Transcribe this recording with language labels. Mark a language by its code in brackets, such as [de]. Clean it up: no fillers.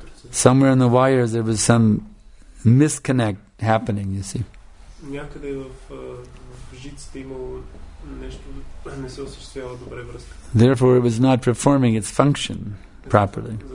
[en] Somewhere in the wires there was some misconnect happening, you see. [bg] Някъде в жиците имало нещо не се осъществява добре връзката. [en] Therefore it was not performing its function. Properly.